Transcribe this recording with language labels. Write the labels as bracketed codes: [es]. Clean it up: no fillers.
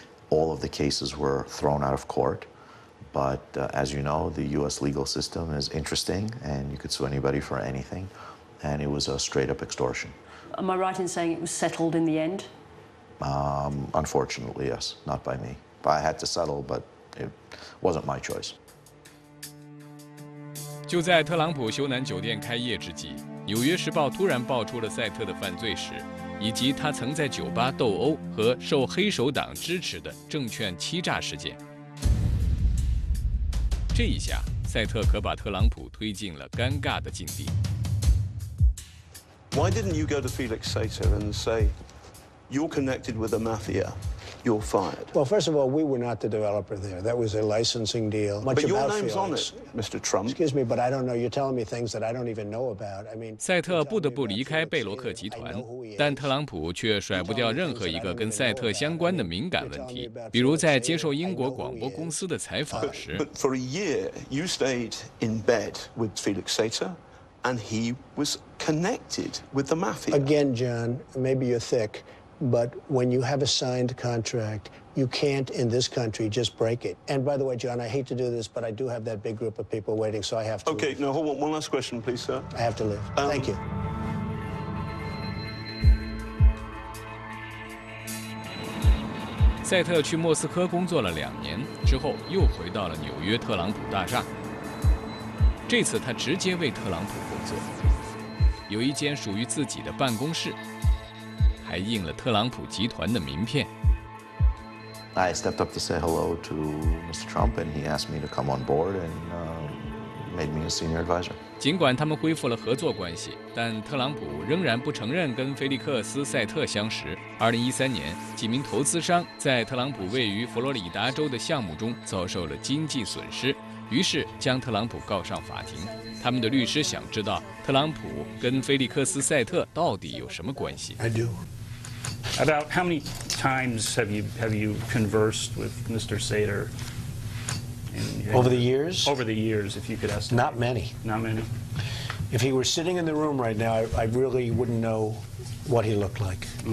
[en] All of the cases were thrown out of court, but as you know, the U.S. legal system is interesting, and you could sue anybody for anything, and it was a straight-up extortion. Am I right in saying it was settled in the end? Unfortunately, yes. Not by me. I had to settle, but it wasn't my choice. [zh] 就在特朗普休南酒店开业之际，《纽约时报》突然爆出了赛特的犯罪史，以及他曾在酒吧斗殴和受黑手党支持的证券欺诈事件。这一下，赛特可把特朗普推进了尴尬的境地。 [en] Why didn't you go to Felix Sater and say, you're connected with the mafia, you're fired? Well, first of all, we were not the developer there. That was a licensing deal. But your name's on it, Mr. Trump. Excuse me, but I don't know. You're telling me things that I don't even know about. I mean, [zh] 赛特不得不离开贝罗克集团，但特朗普却甩不掉任何一个跟赛特相关的敏感问题，比如在接受英国广播公司的采访时。 [en] But for a year, you stayed in bed with Felix Sater. And he was connected with the mafia. Again, John, maybe you're thick, but when you have a signed contract, you can't in this country just break it. And by the way, John, I hate to do this, but I do have that big group of people waiting, so I have to Okay, now hold on. One last question, please, sir. I have to leave. Thank you. [zh] 赛特去莫斯科工作了两年，之后又回到了纽约特朗普大厦。这次他直接为特朗普工作，有一间属于自己的办公室。还印了特朗普集团的名片。 [en] I stepped up to say hello to Mr. Trump, and he asked me to come on board and made me a senior advisor. [zh] 尽管他们恢复了合作关系，但特朗普仍然不承认跟菲利克斯·塞特相识。 2013年，几名投资商在特朗普位于佛罗里达州的项目中遭受了经济损失，于是将特朗普告上法庭。他们的律师想知道特朗普跟菲利克斯·塞特到底有什么关系。 [en] I do. About how many times have you conversed with Mr. Sater? Over the years? Over the years, if you could ask. Not many. Not many. If he were sitting in the room right now, I really wouldn't know what he looked like.